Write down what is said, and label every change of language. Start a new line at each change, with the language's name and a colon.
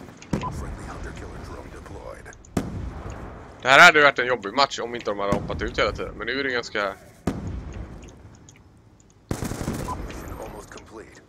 English: Friendly hunter killer drone deployed.
Swedish: Det här hade varit en jobbig match om inte de hade hoppat ut hela tiden, men nu är det ganska.
English: Mission almost complete.